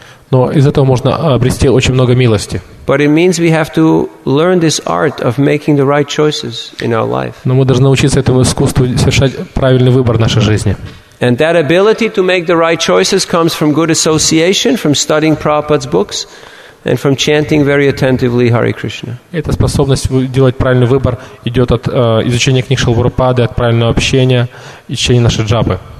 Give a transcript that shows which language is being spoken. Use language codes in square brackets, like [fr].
[ru] Но из этого можно обрести очень много милости. [en] But it means we have to learn this art of making the right choices in our life. [ru] Но мы должны научиться этому искусству совершать правильный выбор в нашей жизни. [en] And that ability to make the right choices comes from good association, from studying Prabhupada's books, and from chanting very attentively Hare Krishna. [ru] Эта способность делать правильный выбор идет от изучения книг Шрилы Прабхупады, от правильного общения и чтения нашей джапы.